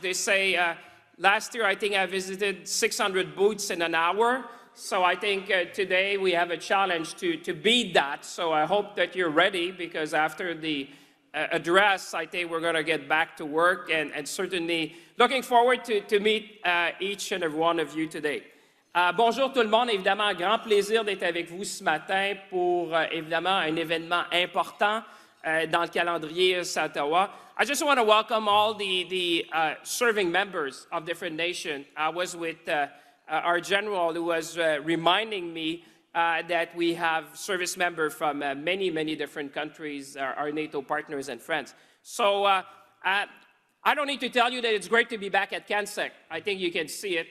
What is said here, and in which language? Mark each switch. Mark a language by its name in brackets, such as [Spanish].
[English] They say, last year, I think I visited 600 booths in an hour. So I think today we have a challenge to beat that. So I hope that you're ready, because after the address, I think we're going to get back to work, and certainly looking forward to meet each and every one of you today. [French] Bonjour tout le monde. Évidemment, grand plaisir d'être avec vous ce matin pour, évidemment, un événement important dans le calendrier Ottawa. [English] I just want to welcome all the serving members of different nations. I was with our general, who was reminding me that we have service members from many, many different countries, our NATO partners and friends. So I don't need to tell you that it's great to be back at CANSEC. I think you can see it.